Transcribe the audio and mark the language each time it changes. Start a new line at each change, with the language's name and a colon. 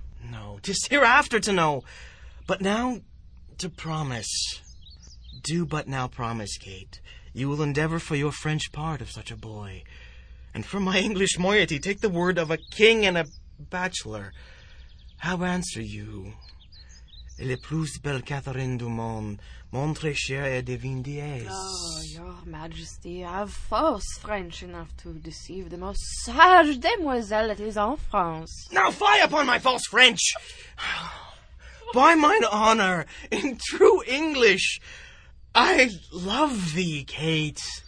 English: No, 'tis hereafter to know. But now to promise. Do but now promise, Kate. You will endeavor for your French part of such a boy. And for my English moiety, take the word of a king and a bachelor. How answer you?
French: Le plus belle Catherine du monde, mon très cher et divin dies.
English: Oh, your majesty, have false French enough to deceive the most sage demoiselle that is
French: en France.
English: Now fie upon my false French! By mine honor, in true English, I love thee, Kate.